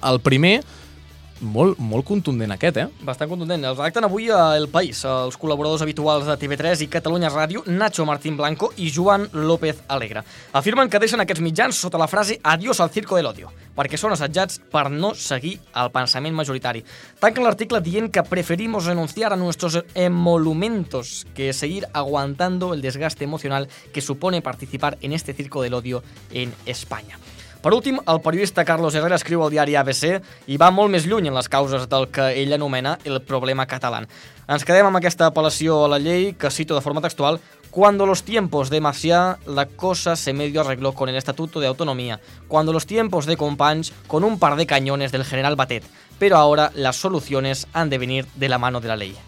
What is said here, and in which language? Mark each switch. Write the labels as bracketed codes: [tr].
[ca] El primer, molt, molt contundent aquest, eh? Bastant contundent. Els redacten avui a El País, els col·laboradors habituals de TV3 i Catalunya Ràdio, Nacho Martín Blanco i Joan López Alegre. Afirmen que deixen aquests mitjans sota la frase [es] «Adiós al circo del odio», [ca] perquè són assetjats per no seguir el pensament majoritari. Tanquen l'article dient que [es] preferimos renunciar a nuestros emolumentos que seguir aguantando el desgaste emocional que supone participar en este circo del odio en España. [ca] Per últim, el periodista Carlos Herrera escriu al diari ABC i va molt més lluny en les causes del que ell anomena el problema català. Ens quedem amb aquesta apel·lació a la llei, que cito de forma textual, [es] Cuando los tiempos de Macià, la cosa se medio arregló con el Estatuto de Autonomía. Cuando los tiempos de Companys, con un par de cañones del general Batet. Pero ahora las soluciones han de venir de la mano de la ley.